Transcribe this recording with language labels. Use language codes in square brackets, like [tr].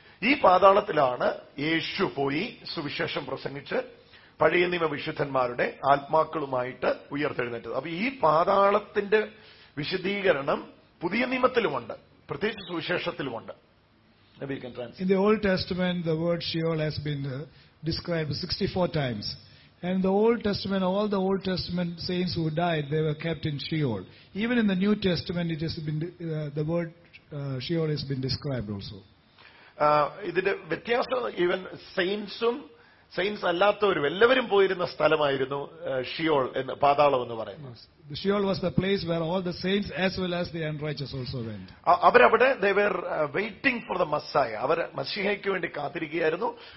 [ml] ഈ പാതാളത്തിലാണ് യേശു പോയി സുവിശേഷം പ്രസംഗിച്ച് പഴയ നിയമ വിശുദ്ധന്മാരുടെ ആത്മാക്കളുമായിട്ട് ഉയർത്തെഴുന്നേറ്റത്. അപ്പൊ ഈ പാതാളത്തിന്റെ വിശദീകരണം പുതിയ നിയമത്തിലുമുണ്ട്, പ്രത്യേകിച്ച് സുവിശേഷത്തിലുമുണ്ട്. [en] In the Old Testament, the word Sheol has been described 64 times. And the Old Testament, all the Old Testament saints who died, they were kept in Sheol. Even in the New Testament, it has been the word Sheol has been described also. [ml] ഇതിന്റെ വ്യത്യാസം, even സെയിൻസും saints അല്ലാത്തവരും എല്ലാവരും പോയിരുന്ന സ്ഥലമായിരുന്നു Sheol എന്ന് പാതാളം എന്ന് പറയുന്നത്. [en] Sheol was the place where all the saints as well as the unrighteous also went. [ml] അവരവിടെ [en] they were waiting for the Messiah, [ml] അവർ മശിഹയ്ക്ക് വേണ്ടി കാത്തിരിക്കുകയായിരുന്നു.